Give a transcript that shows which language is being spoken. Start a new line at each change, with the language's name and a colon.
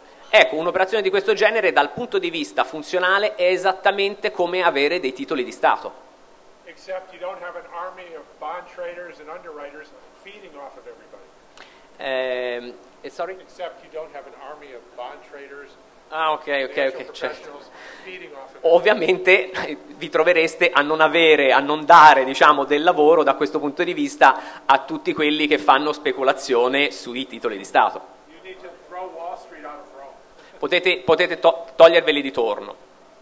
Italian: Ecco, un'operazione di questo genere dal punto di vista funzionale è esattamente come avere dei titoli di Stato.
English: Except you don't have an army of bond traders and underwriters feeding off of everybody. Except you don't have an army of bond traders
Italian: Ah, ok, ok, ok, certo. Ovviamente vi trovereste a non avere, a non dare, diciamo, del lavoro da questo punto di vista a tutti quelli che fanno speculazione sui titoli di Stato. Potete toglierveli di torno.